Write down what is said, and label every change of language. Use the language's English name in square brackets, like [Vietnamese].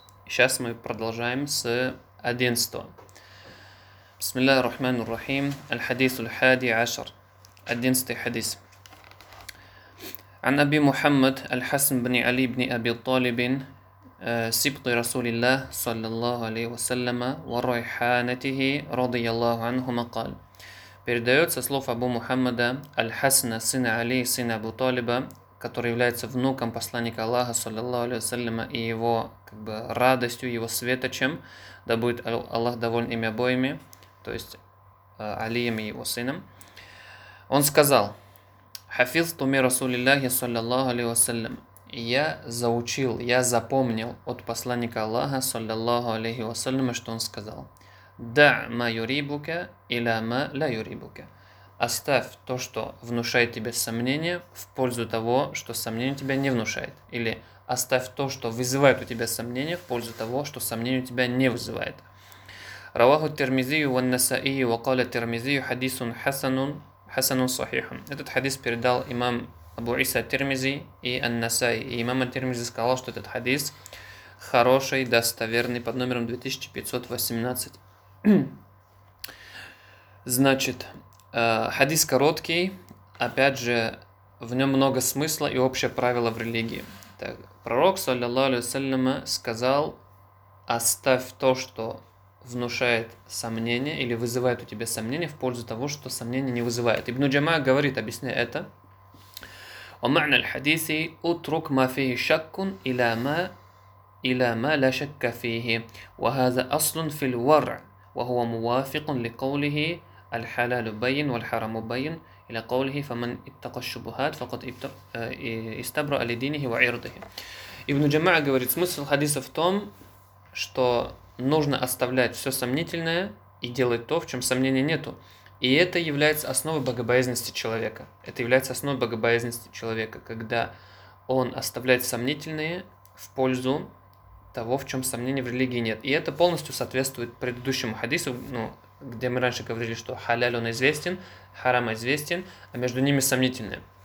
[Russian] Сейчас мы продолжаем с 11-го. [Arabic] بسم الله الرحمن الرحيم. الحديث الحادي عشر، أدينستي حديث. عن أبي محمد الحسن بن علي بن أبي طالب سبط رسول الله صلى الله عليه وسلم وريحانته رضي الله عنهما قال. [Russian] передается слов Абу Мухаммада Аль-Хасна, сына Али, сына Абу Талиба, который является внуком посланника Аллаха, саллиллаху алейхи ва саллям, и его как бы радостью, его светочем, да будет Аллах доволен ими обоими, то есть Алием и его сыном. Он сказал: [Arabic] «Хафизту ми Расулиллахи саллиллаху алейхи ва саллям». [Russian] Я заучил, я запомнил от посланника Аллаха, саллиллаху алейхи ва саллям, что он сказал: [Arabic] «Да ма юрибука иля ма ля юрибука». [Russian] Оставь то, что внушает тебе сомнение, в пользу того, что сомнение тебя не внушает. Или оставь то, что вызывает у тебя сомнение, в пользу того, что сомнение у тебя не вызывает. [Arabic] رواه الترمذي والنسائي وقال الترمذي حديث حسن صحيح. [Russian] Этот хадис передал имам Абу Иса Тирмизи и ан-Насаи. И имам Тирмизи сказал, что этот хадис хороший, достоверный, под номером 2518. Значит, хадис короткий, опять же, в нем много смысла и общее правило в религии. Так, пророк, саллиллаху алейхи ва саллям, сказал: оставь то, что внушает сомнение или вызывает у тебя сомнение, в пользу того, что сомнение не вызывает. Ибн Джамаа говорит, объясняя это: [Arabic] ومعنى الحديث اترك ما فيه شك الى ما لا شك فيه وهذا اصل في الورع وهو موافق لقوله الحلال بين والحرام بين الى قوله فمن اتقى الشبهات فقد استبرأ لدينه وعرضه. [Russian] Ибн Джамаа говорит, смысл хадиса в том, что нужно оставлять все сомнительное и делать то, в чем сомнения нету. И это является основой богобоязненности человека. Это является основой богобоязненности человека, когда он оставляет сомнительные в пользу того, в чем сомнений в религии нет. И это полностью соответствует предыдущему хадису, ну, где мы раньше говорили, что халяль он известен, харам известен, а между ними сомнительное.